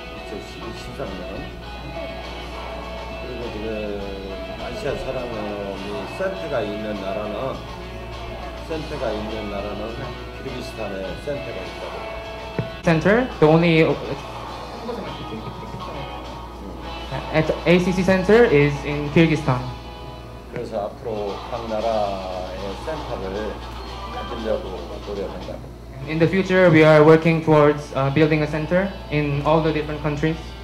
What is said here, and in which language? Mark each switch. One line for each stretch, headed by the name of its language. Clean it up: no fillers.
Korean: 2013년 그리고 아시아사랑나눔 센터가 있는 나라는 키르기스탄에 센터가 있다고.
English: Center? The only at ACC center is in Kyrgyzstan.
Korean: 그래서 앞으로 각 나라의 센터를 만들려고 노력한다고.
English: In the future, we are working towards building a center in all the different countries.